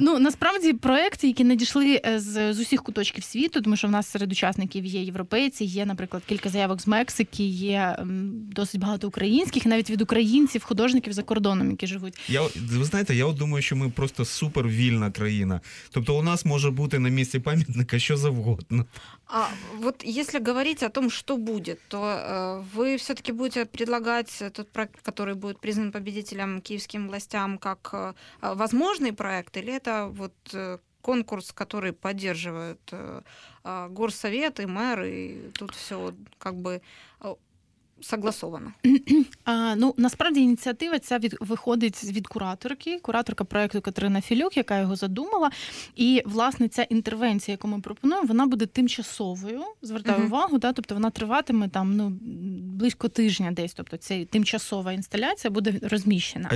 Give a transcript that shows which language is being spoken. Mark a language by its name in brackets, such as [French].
[Ukrainian] Ну, насправді, проекти, які надійшли з усіх куточків світу, тому що в нас серед учасників є європейці, є, наприклад, кілька заявок з Мексики, є досить багато українських, навіть від українців, художників за кордоном, які живуть. Ви знаєте, я от думаю, що ми просто супервільна країна. Тобто у нас може бути на місці пам'ятника що завгодно. [Russian] А вот если говорить о том, что будет, то вы все-таки будете предлагать тот проект, который будет признан победителем киевским властям, как возможный проект, или это вот конкурс, который поддерживают горсовет и мэр, и тут все как бы... Согласовано. [Ukrainian] Ну, насправді ініціатива ця виходить від кураторки, кураторка проєкту Катерина Філюк, яка його задумала. І, власне, ця інтервенція, яку ми пропонуємо, вона буде тимчасовою, звертаю увагу, да? Тобто вона триватиме там, ну, близько тижня десь, тобто ця тимчасова інсталяція буде розміщена.